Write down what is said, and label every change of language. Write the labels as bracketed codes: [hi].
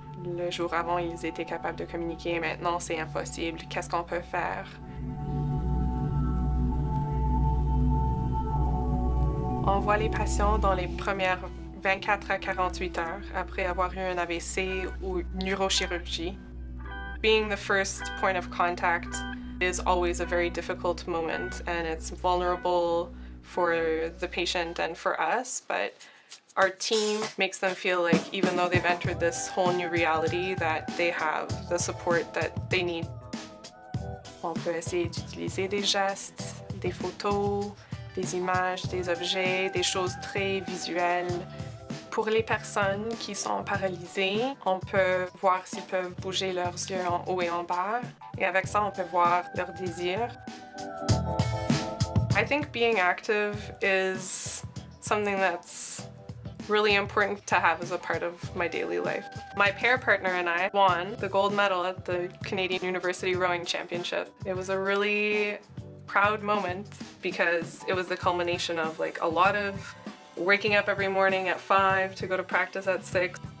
[fr] Le jour avant, ils étaient capables de communiquer. Maintenant, c'est impossible. Qu'est-ce qu'on peut faire? On voit les patients dans les premières 24 à 48 heures après avoir eu un AVC ou une neurochirurgie. [en] Being the first point of contact is always a very difficult moment and it's vulnerable for the patient and for us, but our team makes them feel like even though they've entered this whole new reality, that they have the support that they need. [fr] On peut essayer d'utiliser des gestes, des photos, des images, des objets, des choses très visuelles. Pour les personnes qui sont paralysées, on peut voir s'ils peuvent bouger leurs yeux en haut et en bas. Et avec ça, on peut voir leurs désirs. [en] I think being active is something that's really important to have as a part of my daily life. My pair partner and I won the gold medal at the Canadian University Rowing Championship. It was a really proud moment because it was the culmination of like a lot of waking up every morning at 5 to go to practice at 6.